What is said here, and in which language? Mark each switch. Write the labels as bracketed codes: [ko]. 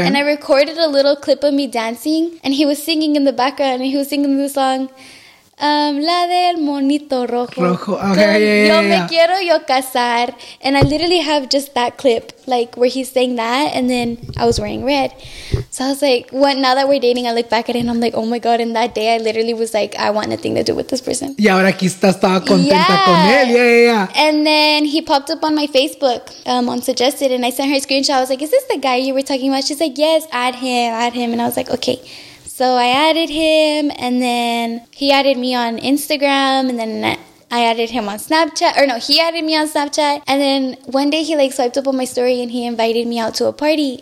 [en] And I recorded a little clip of me dancing and he was singing in the background and he was singing the song, La del Monito Rojo. Rojo. Okay. Yeah. [es] Yo me quiero yo casar. [en] And I literally have just that clip, like where he's saying that. And then I was wearing red. So I was like, what? Now that we're dating, I look back at it and I'm like, oh my God. And that day I literally was like, I want nothing to do with this person. [es] Y ahora aquí está, estaba contenta con él. [en] Yeah. And then he popped up on my Facebook, on Suggested. And I sent her a screenshot. I was like, is this the guy you were talking about? She's like, yes, add him. And I was like, okay. So I added him and then he added me on Instagram and then I added him on Snapchat. Or no, he added me on Snapchat. And then one day he like swiped up on my story and he invited me out to a party.